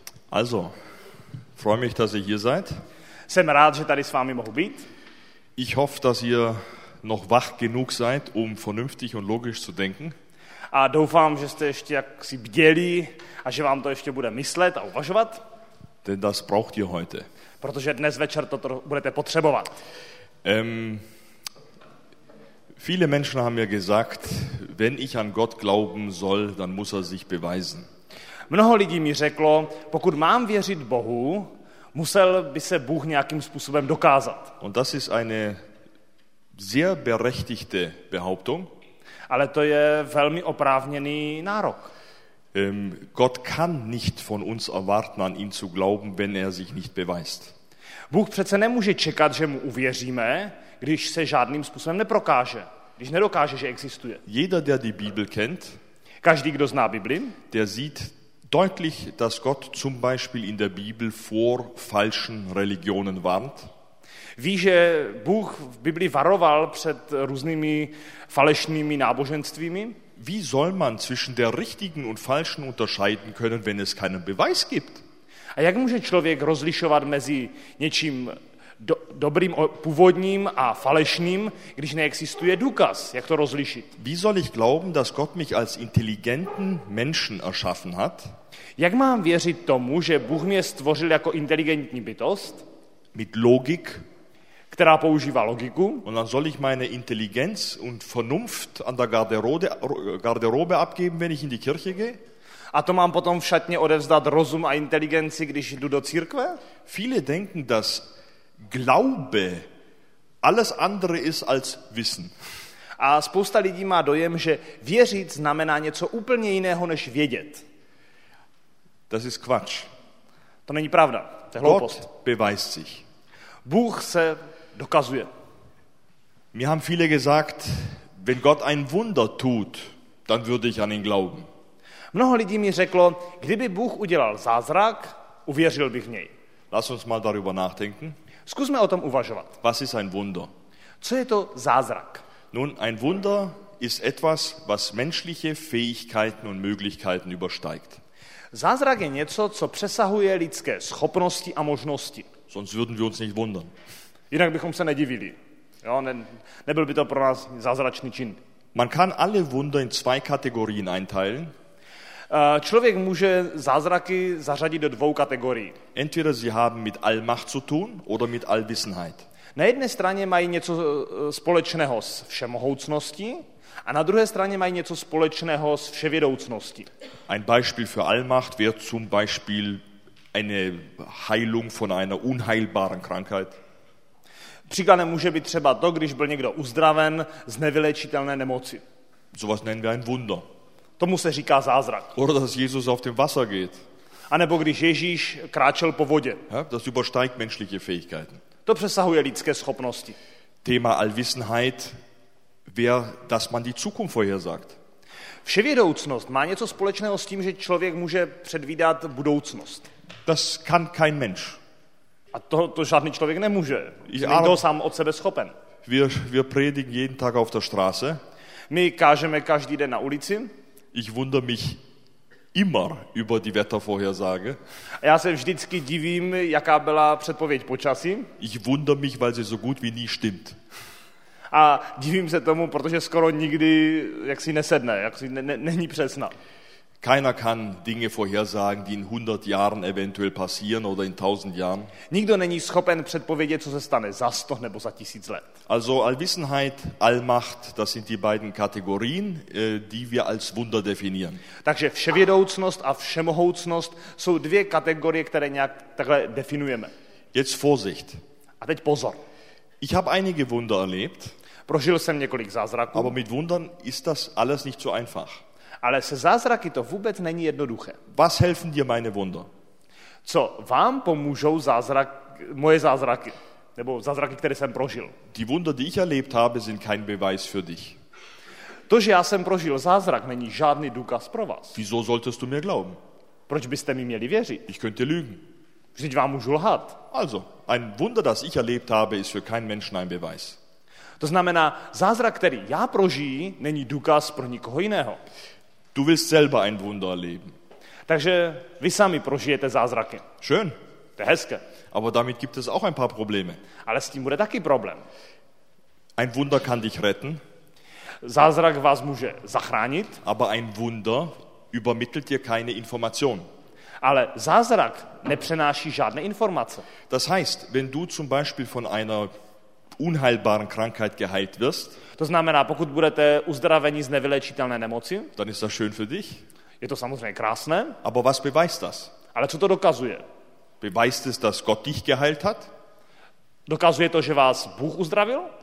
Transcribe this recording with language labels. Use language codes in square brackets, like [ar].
[de] Also, freue mich, dass ihr hier seid. [cs] Jsem rád, že tady s vámi mohu být. [de] Ich hoffe, dass ihr noch wach genug seid, um vernünftig und logisch zu denken. [cs] A doufám, že jste ještě jaksi bdělí a že vám to ještě bude myslet a uvažovat. [de] Denn das braucht ihr heute. [cs] Protože dnes večer to budete potřebovat. [de] Viele Menschen haben mir gesagt, wenn ich an Gott glauben soll, dann muss er sich beweisen. [cs] Mnoho lidí mi řeklo, pokud mám věřit Bohu, musel by se Bůh nějakým způsobem dokázat. [de] Und das ist eine sehr berechtigte Behauptung. [cs] Ale to je velmi oprávněný nárok. [de] Gott kann nicht von uns erwarten, an ihn zu glauben, wenn er sich nicht beweist. [cs] Bůh přece nemůže čekat, že mu uvěříme, když se žádným způsobem neprokáže, když nedokáže, že existuje. [de] Jeder, der die Bibel kennt, [cs] každý, kdo zná Bibli, [de] der sieht deutlich, dass Gott zum Beispiel in der Bibel vor falschen Religionen warnt. [cs] Ví, že Bůh v Bibli varoval před různými falešnými náboženstvími. [de] Wie soll man zwischen der richtigen und falschen unterscheiden können, wenn es keinen Beweis gibt? [cs] A jak může člověk rozlišovat mezi něčím dobrým původním a falešným, když neexistuje důkaz, jak to rozlišit? [de] Wie soll ich glauben, dass Gott mich als intelligenten Menschen erschaffen hat? [cs] Jak mám věřit tomu, že Bůh mě stvořil jako inteligentní bytost? [de] Mit Logik, [cs] která používá logiku? [de] Und dann soll ich meine Intelligenz und Vernunft an der Garderobe abgeben, wenn ich in die Kirche gehe? [cs] A to mám potom v šatně odevzdat rozum a inteligenci, když jdu do církve? [de] Viele denken, dass Glaube alles andere ist als Wissen. [cs] A spousta lidí má dojem, že věřit znamená něco úplně jiného než vědět. [de] Das ist Quatsch. [cs] To není pravda, to je hloupost. [de] Gott beweist sich. [cs] Bůh se dokazuje. [de] Mir haben viele gesagt, wenn Gott ein Wunder tut, dann würde ich an ihn glauben. [cs] Mnoho lidí mi řeklo, kdyby Bůh udělal zázrak, uvěřil bych v něj. [de] Lass uns mal darüber nachdenken. [cs] Zkusme o tom uvažovat. [de] Was ist ein Wunder? [cs] Co je to zázrak? [de] Nun, ein Wunder ist etwas, was menschliche Fähigkeiten und Möglichkeiten übersteigt. [cs] Zázrak je něco, co přesahuje lidské schopnosti a možnosti. [de] Sonst würden wir uns nicht wundern. [cs] Jinak bychom se nedivili. Jo, nebyl by to pro nás zázračný čin. [de] Man kann alle Wunder in zwei Kategorien einteilen. [cs] Člověk může zázraky zařadit do dvou kategorií. [de] Entweder sie haben mit Allmacht zu tun oder mit Allwissenheit. [cs] Na jedné straně mají něco společného s všemohoucností a na druhé straně mají něco společného s vševědoucností. [de] Ein Beispiel für Allmacht wäre zum Beispiel eine Heilung von einer unheilbaren Krankheit. [cs] Příkladem může být třeba to, když byl někdo uzdraven z nevyléčitelné nemoci. [de] Sowas nennen wir ein Wunder. [cs] Tomu se říká zázrak. [de] Oder dass Jesus auf dem Wasser geht. [cs] A nebo když Ježíš kráčel po vodě. [de] Ja, das übersteigt menschliche Fähigkeiten. [cs] To přesahuje lidské schopnosti. [de] Thema Allwissenheit wäre, dass man die Zukunft vorhersagt. [cs] Vševědoucnost má něco společného s tím, že člověk může předvídat budoucnost. [de] Das kann kein Mensch. [cs] A to žádný člověk nemůže. Nikdo sám od sebe schopen. [de] Wir predigen jeden Tag auf der Straße. [cs] My kážeme každý den na ulici. [de] Ich wundere mich immer über die Wettervorhersage. [cs] Já se vždycky divím, jaká byla předpověď počasí. [de] Ich wundere mich, weil sie so gut wie nie stimmt. [cs] A divím se tomu, protože skoro nikdy jaksi nesedne, jaksi není přesná. [de] Keiner kann Dinge vorhersagen, die in 100 Jahren eventuell passieren oder in 1000 Jahren. [cs] Nikdo není schopen předpovědět, co se stane za 100 nebo za 1000 let. [de] Also Allwissenheit, Allmacht, das sind die beiden Kategorien, die wir als Wunder definieren. [cs] Takže vševědoucnost a všemohoucnost jsou dvě kategorie, které nějak takhle definujeme. [de] Jetzt Vorsicht. [cs] A teď pozor. [de] Ich habe einige Wunder erlebt. [cs] Prožil jsem několik zázraků. [de] Aber mit Wundern ist das alles nicht so einfach. [cs] Ale se zázraky to vůbec není jednoduché. [de] Was helfen dir meine Wunder? [cs] Co vám pomůžou moje zázraky? Nebo zázraky, které jsem prožil? [de] Die Wunder, die ich erlebt habe, sind kein Beweis für dich. [cs] To, že já jsem prožil zázrak, není žádný důkaz pro vás. [de] Wieso solltest du mir glauben? [cs] Proč byste mi měli věřit? [de] Ich könnte lügen. [cs] Vždyť vám můžu lhat. [de] Also, ein Wunder, das ich erlebt habe, ist für keinen Menschen ein Beweis. [cs] To znamená, zázrak, který já prožiji, není důkaz pro nikoho jiného. [de] Du willst selber ein Wunder erleben. [cs] Takže vy sami prožijete zázraky. [de] Schön. [cs] To je hezké. [de] Aber damit gibt es auch ein paar Probleme. [cs] Ale s tím bude taky problém. [de] Ein Wunder kann dich retten. [cs] Zázrak vás může zachránit. [de] Aber ein Wunder übermittelt dir keine Information. [cs] Ale zázrak nepřenáší žádné informace. [de] Das heißt, wenn du zum Beispiel von einer unheilbaren Krankheit geheilt wirst. [cs] To znamená, pokud budete uzdraveni z nevyléčitelné nemoci. [de] Dann ist das schön für dich. [cs] Je to samozřejmě krásné. [de] Aber was beweist das? [cs] Ale co to dokazuje? [de] Beweist es, dass Gott dich geheilt hat? [cs] Dokazuje to, že vás Bůh uzdravil?